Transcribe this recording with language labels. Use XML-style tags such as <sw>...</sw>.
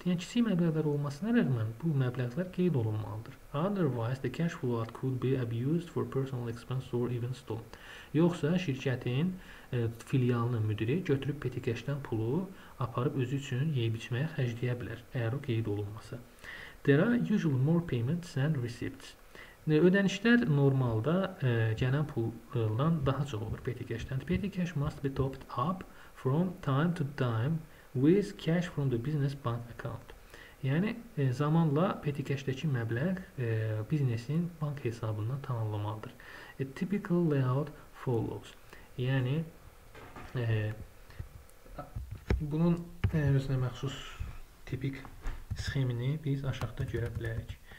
<az>Yani çizgi meblağlar olmasına rağmen bu meblağlar kayıt olunmalıdır.</az> <en>Otherwise the cash flow out could be abused for personal expense or even stolen.</en> <az>Yoxsa şirkətin filialının müdiri götürüb petty cash-dan pulu aparıb özü üçün yeyib içməyə xərcləyə bilər, əgər o qeyd olunmasa.</az> <en>There are usually more payments than receipts.</en> <az>Ödənişlər normalda gələn puldan daha çox olur petty cash-dan.</az> <en>Petty cash must be topped up from time to time with cash from the business bank account.</en> <az>Yəni zamanla petty cash-dəki məbləğ biznesin bank hesabından tamamlanmalıdır.</az> <en>A typical layout follows.</en> <az>Yəni bunun özünə məxsus tipik sxemini biz aşağıda görə bilərik.</az>